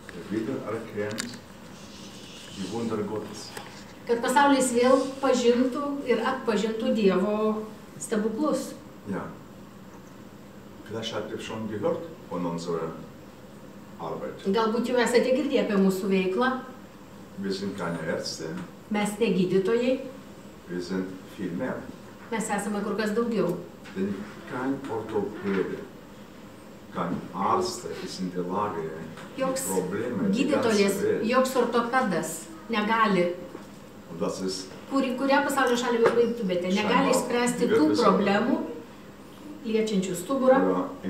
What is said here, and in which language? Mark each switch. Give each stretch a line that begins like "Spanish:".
German: Wieder erkennt die Wunder Gottes.
Lithuanian: Kad pasaulis vėl pažintų ir atpažintų Dievo stebuklus.
German: Ja. Vielleicht habt ihr schon gehört von unserer Arbeit.
Lithuanian: Galbūt jau esate girdėję apie mūsų veiklą.
German: Wir sind keine Ärzte.
Lithuanian: Mes ne gydytojai.
German: Wir sind viel mehr.
Lithuanian: Mes esame kur kas daugiau.
German: Denn kein Orthopäde, kein Arzt ist in der Lage,
Lithuanian: joks gydytojas, joks ortopedas negali, kurią pasaulio šalį bebaigtumėte, negali spręsti tų problemų, liečiančių stuburą.